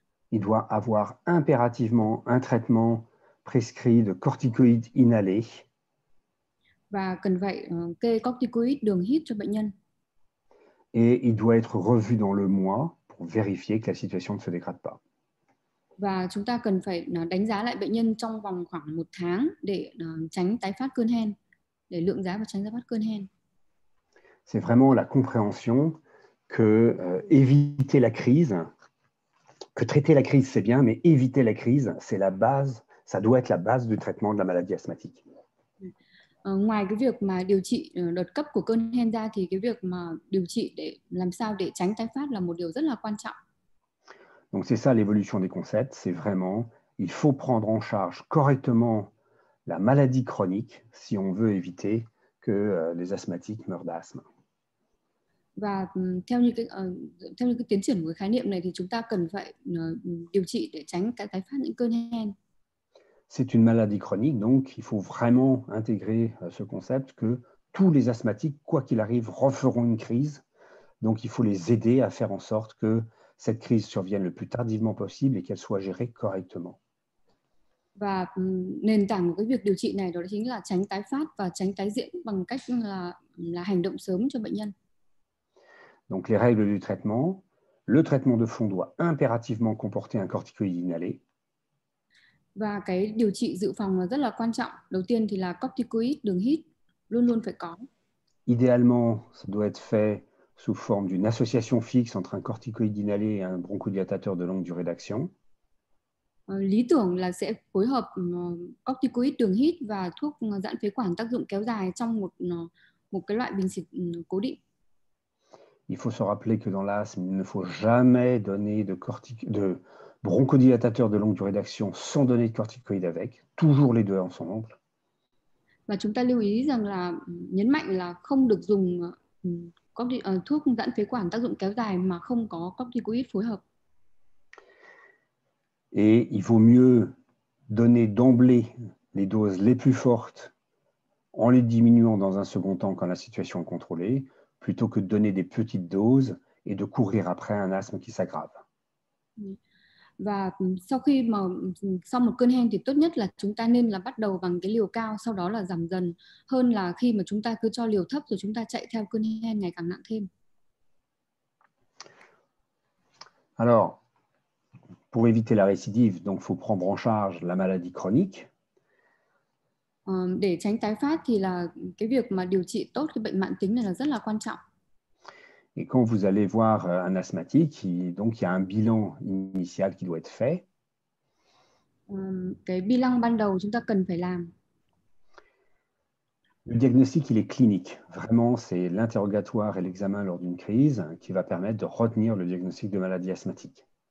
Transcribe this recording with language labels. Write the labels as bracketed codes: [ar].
[fr] Il doit avoir impérativement un traitement prescrit de corticoïdes inhalés. [vi] Và cần phải kê corticoid đường hít cho bệnh nhân. [fr] Et il doit être revu dans le mois pour vérifier que la situation ne se dégrade pas. [vi] Và chúng ta cần phải đánh giá lại bệnh nhân trong vòng khoảng 1 tháng để tránh tái phát cơn hen, để lượng giá và tránh tái phát cơn hen. [fr] C'est vraiment la compréhension que éviter la crise, que traiter la crise c'est bien, mais éviter la crise, c'est la base, ça doit être la base du traitement de la maladie asthmatique. [vi] Ngoài cái việc mà điều trị đợt cấp của cơn hen ra thì cái việc mà điều trị để làm sao để tránh tái phát là một điều rất là quan trọng. [fr] Donc c'est ça l'évolution des concepts, c'est vraiment, il faut prendre en charge correctement la maladie chronique si on veut éviter que les asthmatiques meurent d'asthme. [vi] Và theo như cái tiến triển của cái khái niệm này thì chúng ta cần phải điều trị để tránh cái tái phát những cơn hen. [fr] C'est une maladie chronique, donc il faut vraiment intégrer ce concept que tous les asthmatiques, quoi qu'il arrive, referont une crise. Donc il faut les aider à faire en sorte que cette crise survienne le plus tardivement possible et qu'elle soit gérée correctement. [vi] Và nền tảng của cái việc điều trị này đó chính là tránh tái phát và tránh tái diễn bằng cách là hành động sớm cho bệnh nhân. [fr] Donc les règles du traitement, le traitement de fond doit impérativement comporter un corticoïde inhalé. [vi] Và cái điều trị dự phòng là rất là quan trọng. Đầu tiên thì là corticoïde đường hít luôn luôn phải có. [fr] Idéalement, ça doit être fait sous forme d'une association fixe entre un corticoïde inhalé et un bronchodilatateur de longue durée d'action. [vi] Lý tưởng là sẽ phối hợp corticoid đường hít và thuốc giãn phế quản tác dụng kéo dài trong một một cái loại bình xịt cố định. [fr] Il faut se rappeler que dans l'asthme, il ne faut jamais donner de bronchodilatateur de longue durée d'action sans donner de corticoïde avec, toujours les deux ensemble. [vi] Và chúng ta lưu ý rằng là nhấn mạnh là không được dùng thuốc giãn phế quản tác dụng kéo dài mà không có corticoid phối hợp. [fr] Et il vaut mieux donner d'emblée les doses les plus fortes en les diminuant dans un second temps quand la situation est contrôlée, plutôt que de donner des petites doses et de courir après un asthme qui s'aggrave. [vi] Và sau khi mà sau một cơn hen thì tốt nhất là chúng ta nên là bắt đầu bằng cái liều cao, sau đó là giảm dần hơn là khi mà chúng ta cứ cho liều thấp rồi chúng ta chạy theo cơn hen ngày càng nặng thêm. [fr] Alors, pour éviter la récidive, donc il faut prendre en charge la maladie chronique. [vi] Để tránh tái phát thì là cái việc mà điều trị tốt cái bệnh mãn tính này là rất là quan trọng. [fr] Et quand vous allez voir un asthmatique, donc il y a un bilan initial qui doit être fait. [vi] Cái bilan ban đầu chúng ta cần phải làm. [fr] Le diagnostic, il est clinique. Vraiment, c'est l'interrogatoire et l'examen lors d'une crise qui va permettre de retenir le diagnostic de maladie asthmatique.